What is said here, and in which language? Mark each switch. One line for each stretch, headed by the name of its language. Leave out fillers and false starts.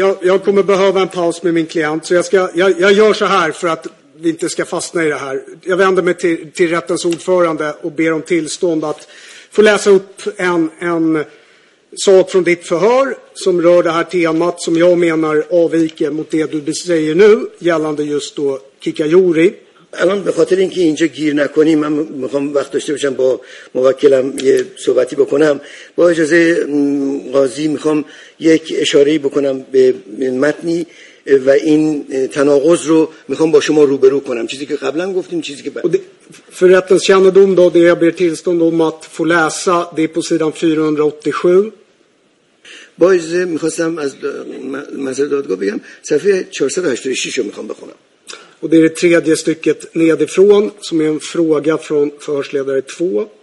Swedish: Jag kommer behöva en paus med min klient. Så jag gör så här för att vi inte ska fastna i det här. Jag vänder mig till rättens ordförande och ber om tillstånd att få läsa upp en sak från ditt förhör som rör det här temat som jag menar avviker mot det du säger nu gällande just då Kikajori.
Persian: الان به خاطر اینکه اینجا گیر نکنیم من میخوام وقت داشته باشم با موکلم یه صحبتی بکنم با اجازه قاضی میخوام یک اشاره‌ای بکنم به متنی و این تناقض رو میخوام با شما روبرو کنم چیزی که قبلا گفتیم چیزی که
Swedish: för rättens kännedom då det jag ber tillstånd om att få läsa det är på sidan 487
Persian: با اجازه میخواستم از مسئله دادگاه بگم صفحه 486 رو میخوام بخونم
Swedish: Och det är det tredje stycket nedifrån som är en fråga från förhörsledare 2.